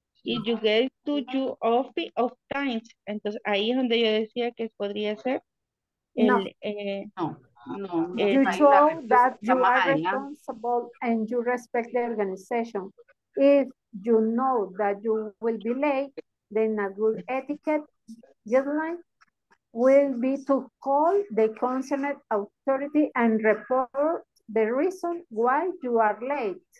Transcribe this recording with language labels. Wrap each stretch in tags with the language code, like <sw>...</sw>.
<en>If you get to you office of times.</en> <es>Entonces ahí es donde yo decía que podría ser. El, No.</es> <en>You show that you are responsible and you respect the organization. If you know that you will be late, then a good etiquette deadline will be to call the concerned authority and report the reason why you are late.</en>